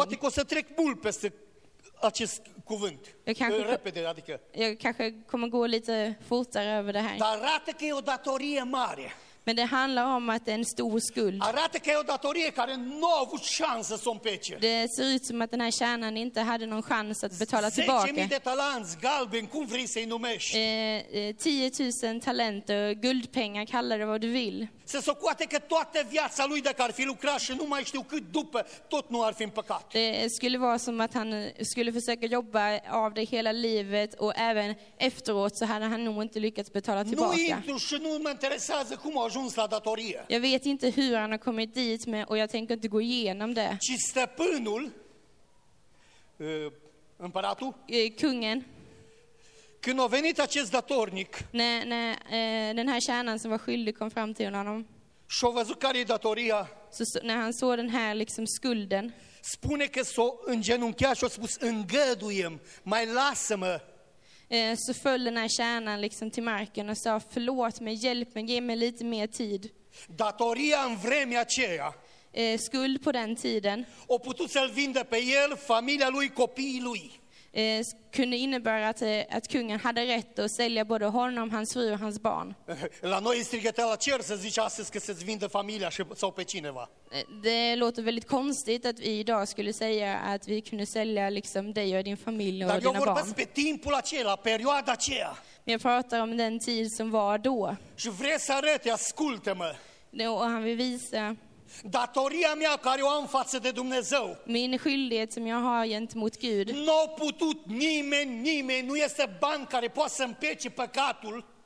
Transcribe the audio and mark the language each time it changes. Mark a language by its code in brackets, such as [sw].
[ro] Poate că o să trec mult peste acest cuvânt. [sv] Jag kanske kommer gå lite fortare över det här. [ro] Dar arată că e o datorie mare. [sv] Men det handlar om att det är en stor skuld. [ro] Arată că e o datorie care nu a avut șansă să o împece. [sv] Det ser ut som att den här tjänaren inte hade någon chans att betala tillbaka. [ro] 10.000 de talanți galben, cum vrei să-i numești. [sv] 10.000 talente, guldpengar, kallar det vad du vill. [ro] Se socoate că toată viața lui dacă ar fi lucrat și nu mai știu cât după, tot nu ar fi împăcat. [sv] Det skulle vara som att han skulle försöka jobba av det hela livet och även efteråt så hade han nog inte lyckats betala tillbaka. [ro] Nu intru și nu mă interesează cum ajuns la datorie. [sv] Jag vet inte hur han har kommit dit med och jag tänker inte gå igenom det. [ro] Ci stăpânul, împăratul, [sv] kungen, [ro] când a venit acest datornic, [sv] när den här tjänaren som var skyldig kom fram till honom, [ro] și-a văzut care e datoria, [sv] när han såg den här liksom skulden, [ro] spune că s-a îngenunchiat și a spus, îngăduie-mă, mai lasă-mă. [sv] Så föll den här kärnan liksom till marken och sa, förlåt mig, hjälp mig, ge mig lite mer tid. [ro] Datoria în vremea aceea. [sv] Skuld på den tiden. [ro] O putut să-l vindă pe el, familia lui, copiii lui. [sv] Kunde innebära att kungen hade rätt att sälja både honom, hans fru och hans barn. [ro] La noi strigătela cer să zici astăzi că se-ți vindă familia sau pe cineva. [sv] Det låter väldigt konstigt att vi idag skulle säga att vi kunde sälja liksom dig och din familj och dina barn. [ro] Dar eu vorbesc pe timpul acela, perioada aceea. [sv] Jag pratar om den tid som var då. [ro] Și vrei să arăt, ascultă-mă. [sv] Och han vill visa. [ro] Datoria mea care o am față de Dumnezeu. [sv] Min skyldighet som jag har gentemot Gud. [ro] N-a putut nimeni, nu este bani care poate să împece păcatul.